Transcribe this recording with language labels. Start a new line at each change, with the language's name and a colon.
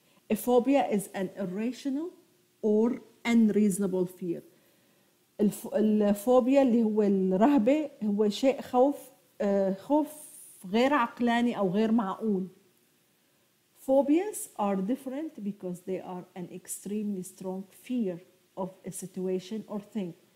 English: A phobia is an irrational or unreasonable fear.
Arabic: الفوبيا اللي هو الرهبة هو شيء خوف غير عقلاني أو غير معقول.
English: Phobias are different because they are an extremely strong fear of a situation or thing.